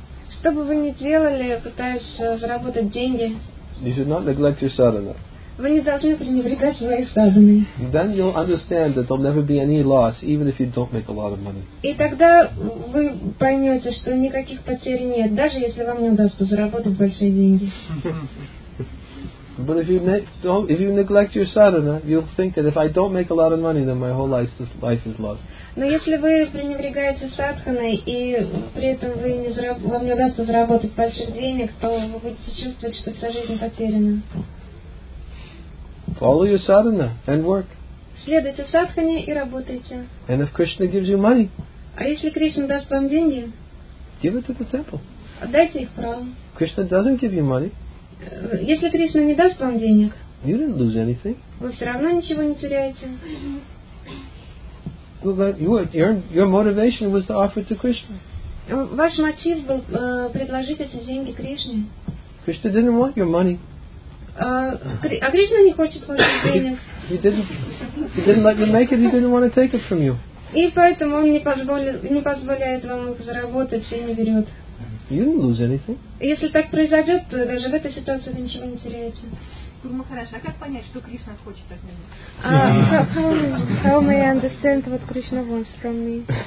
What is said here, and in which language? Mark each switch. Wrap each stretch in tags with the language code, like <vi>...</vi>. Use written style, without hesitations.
<ru>что бы вы ни делали, пытаясь заработать деньги,</ru> <en>you should not neglect your sadhana.</en> <ru>вы не должны пренебрегать свои сказанные.</ru> <en>Then you'll understand that there'll never be any loss, even if you don't make a lot of money.</en> <ru>И тогда вы поймете, что никаких потерь нет, даже если вам не удастся заработать большие деньги.</ru> <en>But if you neglect your sadhana, you'll think that if I don't make a lot of money, then my whole life is lost.</en> <ru>Но если вы пренебрегаете садханой и при этом вы не вам не удастся заработать больших денег, то вы будете чувствовать, что вся жизнь потеряна.</ru> <en>Follow your sadhana and work.</en> <ru>Следуйте садхане и работайте.</ru> <en>And if Krishna gives you money,</en> <ru>а если Кришна даст вам деньги,</ru> <en>give it to the temple.</en> <ru>Отдайте их храм.</ru> <en>Krishna doesn't give you money.</en> <ru>Если Кришна не даст вам денег,</ru> <en>you didn't lose anything.</en> <ru>Вы все равно ничего не теряете.</ru> <en>Your motivation was to offer to Krishna.</en> <ru>Ваш мотив был предложить эти деньги Кришне.</ru> <en>Krishna didn't want your money.</en> <ru>А Кришна не хочет ваших денег.</ru> <en>He didn't let you make it. He didn't want to take it from you.</en> <ru>И поэтому он не позволяет вам их заработать и не берет.</ru> <en>You didn't lose anything.</en> <ru>Если так произойдет, то даже в этой ситуации вы ничего не теряете.</ru> <en>How may I understand what Krishna wants from me?</en>